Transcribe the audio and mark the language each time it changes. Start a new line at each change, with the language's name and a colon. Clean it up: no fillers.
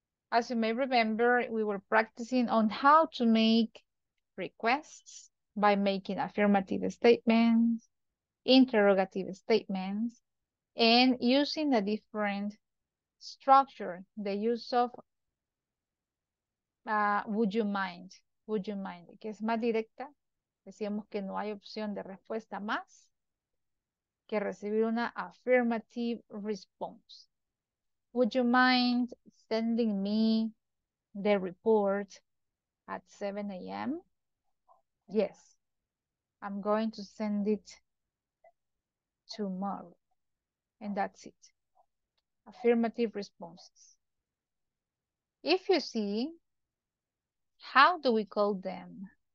English: As you may remember, we were practicing on how to make requests by making affirmative statements, interrogative statements, and using a different structure, the use of would you mind? Would you mind?
Spanish: Que es más directa. Decíamos que no hay opción de respuesta más que recibir una affirmative response.
English: Would you mind sending me the report at 7 a.m.? Yes, I'm going to send it tomorrow. And that's it. Affirmative responses. If you see, how do we call them?